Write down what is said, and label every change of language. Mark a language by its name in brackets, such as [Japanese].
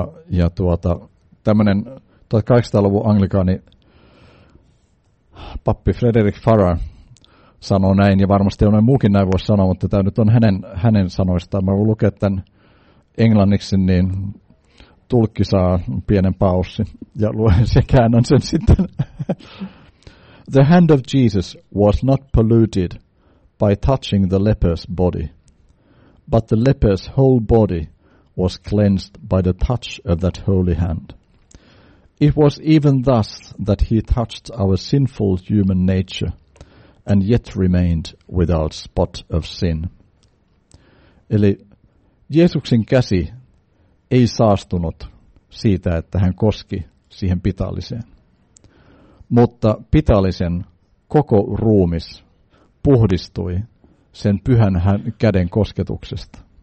[Finnish] Ja tämmöinen 1800-luvun anglikaani pappi Frederick Farrar sanoo näin, ja varmasti on muukin näin voisi sanoa, mutta tämä nyt on hänen sanoistaan. Mä voin lukea tämän englanniksi, niin tulkki saa pienen paussi ja luen sen käännön sen sitten. [English] The hand of Jesus was not polluted by touching the leper's body, but the leper's whole body was cleansed by the touch of that holy hand. It was even thus that he touched our sinful human nature and yet remained without spot of sin. [Finnish] Eli Jeesuksen käsi ei saastunut siitä, että hän koski siihen pitalliseen. Mutta pitallisen koko ruumis puhdistui sen pyhän käden kosketuksesta.